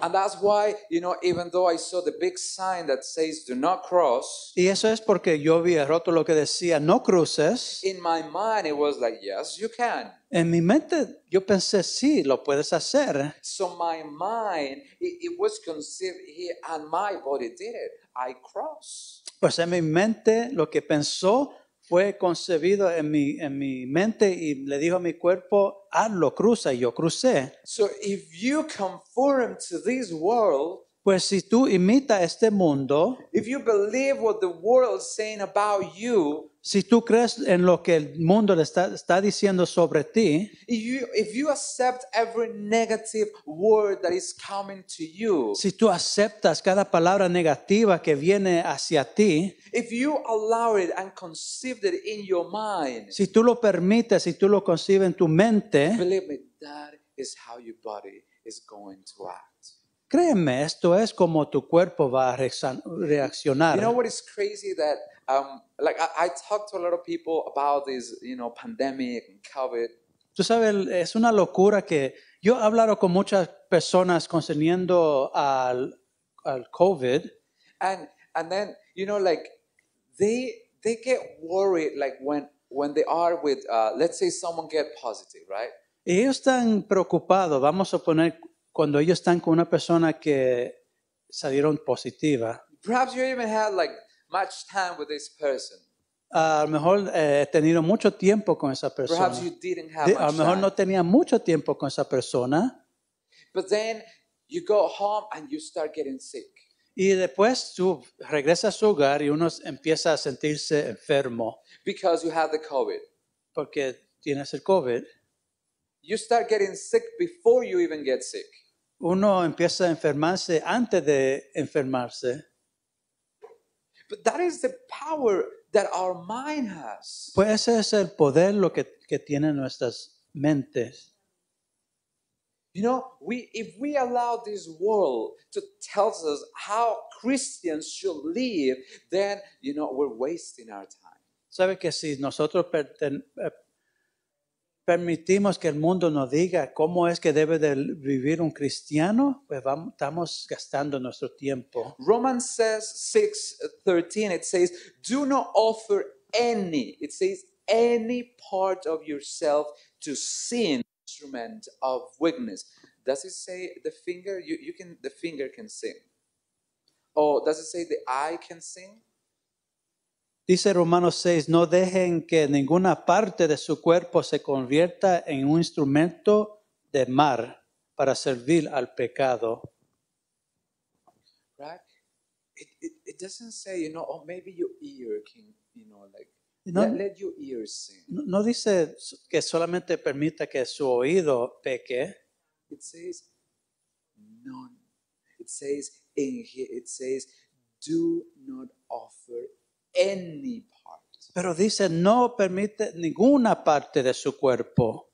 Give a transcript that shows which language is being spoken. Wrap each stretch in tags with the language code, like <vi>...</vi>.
<en>And that's why, you know, even though I saw the big sign that says do not cross.</en> <es>Y eso es porque yo vi el rótulo que decía no cruces.</es> <en>In my mind it was like, yes, you can.</en> <es>En mi mente yo pensé, sí, lo puedes hacer.</es> <en>So my mind, it was conceived here and my body did it. I cross.</en> <es>Pues en mi mente lo que pensó fue concebido en mi mente y le dijo a mi cuerpo, hazlo, cruza, y yo crucé.</es> <en>So if you conform to this world,</en> <es>pues si tú imitas este mundo,</es> <en>if you believe what the world is saying about you,</en> <es>si tú crees en lo que el mundo le está diciendo sobre ti,</es> <en>if you accept every negative word that is coming to you,</en> <es>si tú aceptas cada palabra negativa que viene hacia ti,</es> <en>if you allow it and conceive it in your mind,</en> <es>si tú lo permites, si tú lo concibes en tu mente,</es> <en>believe me, that is how your body is going to act.</en> <es>Créeme, esto es como tu cuerpo va a reaccionar.</es> <en>You know what is crazy that, like I talked to a lot of people about this, you know, pandemic and COVID.</en> <es>Tú sabes, es una locura que yo he hablado con muchas personas concerniendo al COVID.</es> <en>And then, you know, like they get worried like when they are with, let's say someone get positive, right?</en> <es>Y ellos están preocupados, vamos a poner, cuando ellos están con una persona que salieron positiva.</es> <en>Perhaps you even had like much time with this person.</en> <es>A lo mejor he tenido mucho tiempo con esa persona.</es> <en>Perhaps you didn't have much</en> <es>time. A lo mejor no tenía mucho tiempo con esa persona.</es> <en>But then you go home and you start getting sick.</en> <es>Y después tú regresas a su hogar y uno empieza a sentirse enfermo.</es> <en>Because you have the COVID.</en> <es>Porque tienes el COVID.</es> <en>You start getting sick before you even get sick.</en> <es>Uno empieza a enfermarse antes de enfermarse.</es> <en>But that is the power that our mind has.</en> <es>Pues ese es el poder lo que tienen nuestras mentes.</es> <en>You know, if we allow this world to tell us how Christians should live, then, you know, we're wasting our time.</en> <es>¿Sabe que si nosotros permitimos que el mundo nos diga cómo es que debe de vivir un cristiano, pues estamos gastando nuestro tiempo?</es> <en>Romans 6:13, it says, do not offer any part of yourself to sin. Instrument of weakness. Does it say the finger? You can, the finger can sing. Or does it say the eye can sing?</en> <es>Dice Romanos 6, no dejen que ninguna parte de su cuerpo se convierta en un instrumento de mal para servir al pecado.</es> <en>Right? It doesn't say, you know, or maybe your ear can, you know, like, no, let your ears sing.</en> <es>No dice que solamente permita que su oído peque.</es> <en>It says none. It says do not offer any part.</en> <es>Pero dice no permite ninguna parte de su cuerpo.</es>